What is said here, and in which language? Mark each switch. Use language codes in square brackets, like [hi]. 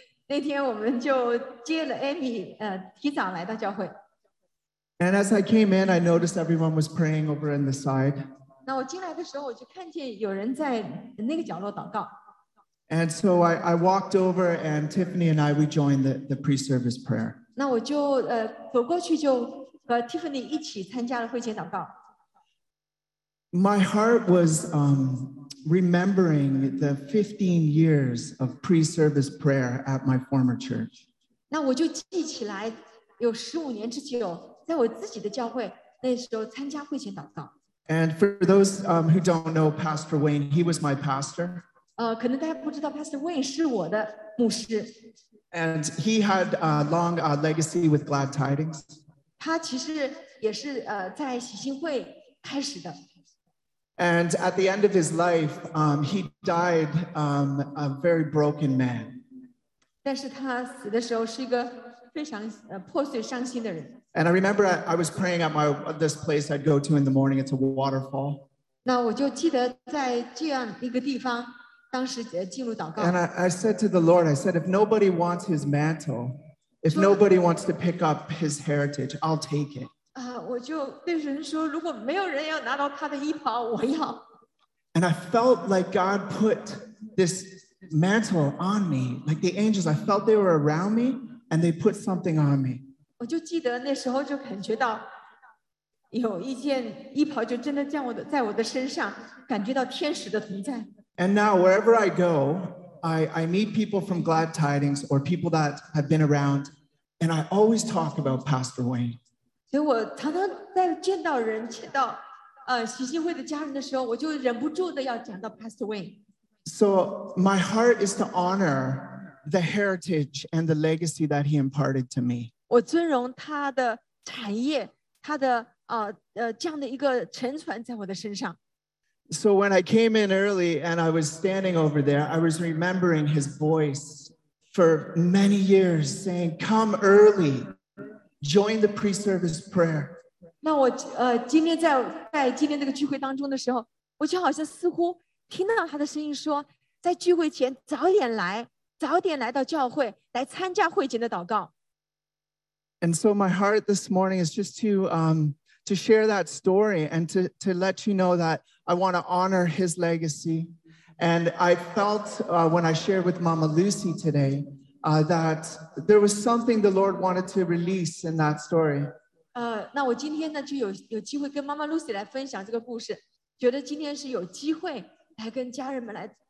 [zh] 那天我们就接了 Amy, 提早来到教会。 [en] And as I came in, I noticed everyone was praying over in the side. [zh] 那我进来的时候，我就看见有人在那个角落祷告。 [en] And so I walked over, and Tiffany and I, we joined the pre-service prayer. [zh] 那我就走过去，就和 Tiffany 一起参加了会前祷告。 [en] My heart was remembering the 15 years of pre-service prayer at my former church. [zh] 那我就记起来，有15年之久，在我自己的教会那时候参加会前祷告。 [en] And for those who don't know Pastor Wayne, he was my pastor. [zh] 可能大家不知道 Pastor Wayne 是我的牧师。 [en] And he had a long legacy with Glad Tidings. [zh] 他其实也是在喜信会开始的。 [en] And at the end of his life, he died a very broken man. [zh] 但是他死的时候是一个非常破碎伤心的人。 [en] And I remember I was praying at this place I'd go to in the morning. It's a waterfall. [zh] 那我就记得在这样一个地方，当时进入祷告。 [en] And I said to the Lord, I said, if nobody wants his mantle, if nobody wants to pick up his heritage, I'll take it. [zh] 我就对神说，如果没有人要拿到他的衣袍，我要。 [en] And I felt like God put this mantle on me, like the angels. I felt they were around me, and they put something on me. [zh] 我就记得那时候就感觉到有一件衣袍就真的降在我的身上，感觉到天使的同在。 [en] And now wherever I go, I meet people from Glad Tidings or people that have been around, and I always talk about Pastor Wayne. [zh] 所以我常常在见到人，见到喜信会的家人的时候，我就忍不住的要讲到 Pastor Wayne。 [en] So my heart is to honor the heritage and the legacy that he imparted to me。 [zh] 我尊荣他的产业，他的这样的一个沉船在我的身上。 [en] So when I came in early and I was standing over there, I was remembering his voice for many years, saying, "Come early." Join the pre-service prayer. [zh] 那我今天在今天这个聚会当中的时候，我就好像似乎听到他的声音说，在聚会前早点来，早点来到教会，来参加会前的祷告。 [en] And so my heart this morning is just to share that story and to let you know that I want to honor his legacy. And I felt when I shared with Mama Lucy today. That there was something the Lord wanted to release in that story. [zh] 那我今天呢就有机会跟妈妈 Lucy 来分享这个故事，觉得今天是有机会来跟家人们来